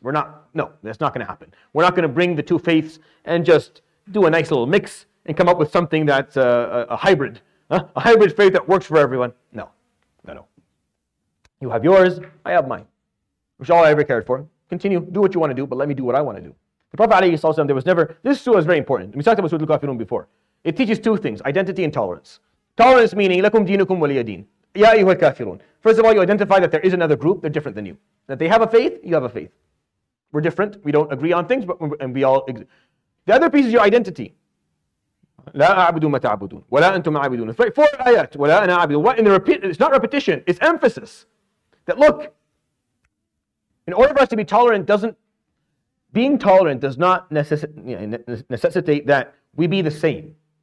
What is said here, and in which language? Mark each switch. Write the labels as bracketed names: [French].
[English] That's not going to happen. We're not going to bring the two faiths and just do a nice little mix and come up with something that's a hybrid. Huh? A hybrid faith that works for everyone. No. You have yours, I have mine. Which is all I ever cared for. Continue, do what you want to do, but let me do what I want to do. The Prophet alayhi salam, this surah is very important. We talked about surah al-Kafirun before. It teaches two things, identity and tolerance. Tolerance meaning, [Arabic] لَكُمْ دِينُكُمْ وَلِيَ دِينَ يَا أَيُّهَا الْكَافِرُونَ. [English] First of all, you identify that there is another group, they're different than you. That they have a faith, you have a faith. We're different, we don't agree on things, and we all exist. The other piece is your identity. [Arabic] لَا أَعْبُدُ مَا تَعْبُدُونَ وَلَا أَنْتُمْ عَبِدُونَ. [English] It's right, four ayat. [Arabic] وَلَا أَنَا عَبِدُونَ. What? [English] It's not repetition, it's emphasis. That look, in order for us to be tolerant, being tolerant does not necessitate that we be the same.